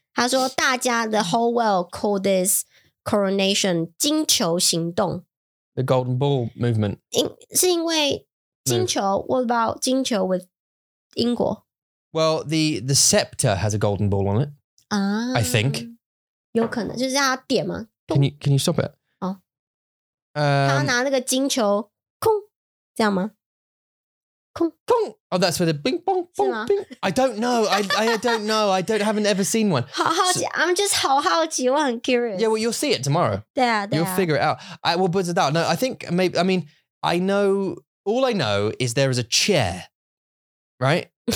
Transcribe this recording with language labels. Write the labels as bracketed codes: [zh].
[zh] 他说大家, [en] the whole world called this coronation [zh] 金球行动, [en] the Golden Ball Movement. [zh] 是因为金球, [en] what about [zh] 金球 with 英国? [en] Well, the scepter has a golden ball on it, I think. [zh] 有可能,就是让他点吗? [en] Can you stop it? [zh] 他拿那个金球,空,这样吗? 空,空! [en] Oh, that's where the bing-bong-bong-bing. I don't know, I don't know, I don't, haven't ever seen one. [zh] 好好奇, [en] so, I'm just 好好奇, I'm curious. Yeah, well, you'll see it tomorrow. [zh] 对啊,对啊。 [en] You'll figure it out. I will buzz it out. No, I think maybe, I mean, I know, all I know is there is a chair, right?